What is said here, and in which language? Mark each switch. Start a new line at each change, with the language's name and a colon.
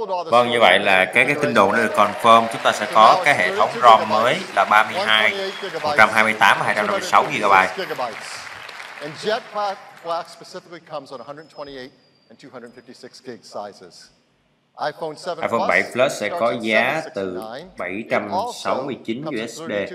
Vietnamese: Vâng, như vậy là cái tin đồn đã được confirm. Chúng ta sẽ có cái hệ thống ROM mới là 32, 128 và 256 GB.
English: And Jet Black specifically comes on 128 and 256 gig sizes.
Vietnamese: iPhone 7 Plus sẽ có giá từ 769 USD.